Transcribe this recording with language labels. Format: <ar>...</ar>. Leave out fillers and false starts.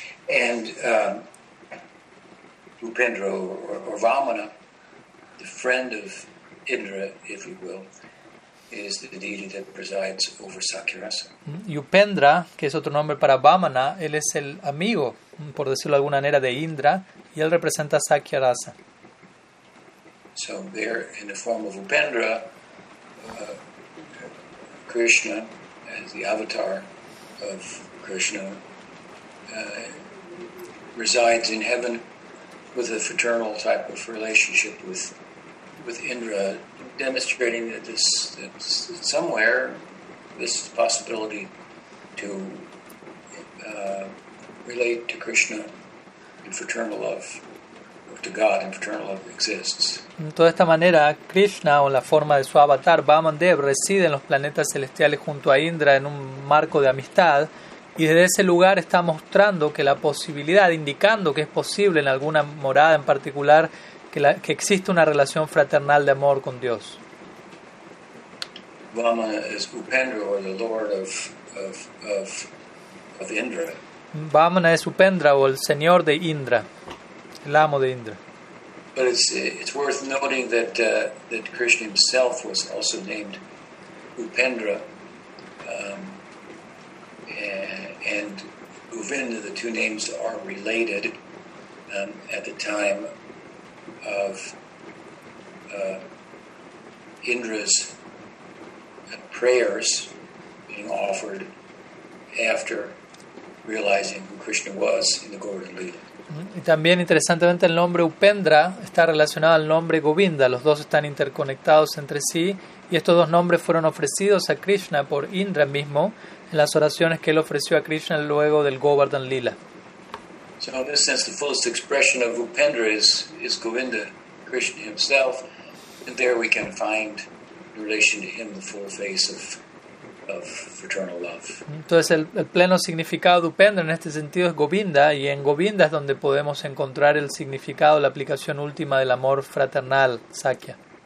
<en>And Upendra or Vamana, the friend of Indra, if you will, is the deity that presides over Sakyarasa.</en> <es>Upendra, que es otro nombre para Vamana, él es el amigo, por decirlo de alguna manera, de Indra, y él representa Sakyarasa.</es> <en>So there, in the form of Upendra, Krishna, as the avatar of Krishna, resides in heaven with a fraternal type of relationship with Indra, demonstrating that that somewhere this possibility to relate to Krishna in fraternal love, or to God in fraternal love, exists.</en> <es>De esta manera, Krishna, o la forma de su avatar, Vamandev, reside en los planetas celestiales junto a Indra en un marco de amistad, y desde ese lugar está mostrando que la posibilidad, indicando que es posible en alguna morada en particular, que existe una relación fraternal de amor con Dios. Vamana es Upendra, o el</es> <en>Lord of Indra.</en> <es>Vamana es Upendra, o el Señor de Indra, el amo de Indra.</es> <en>But it's worth noting that Krishna himself was also named Upendra, and Govinda, the two names are related at the time of Indra's prayers being offered after realizing who Krishna was in the Govardhan Lila.</en> <es>Y también interesantemente el nombre Upendra está relacionado al nombre Govinda. Los dos están interconectados entre sí y estos dos nombres fueron ofrecidos a Krishna por Indra mismo en las oraciones que él ofreció a Krishna luego del Govardhan Lila.</es> <en>So in this sense, the fullest expression of Upendra is Govinda, Krishna himself. And there we can find in relation to him the full face of fraternal love.</en> <es>Entonces el pleno significado de Upendra en este sentido es Govinda, y en Govinda es donde podemos encontrar el significado, la aplicación última del amor fraternal, Sakya.</es>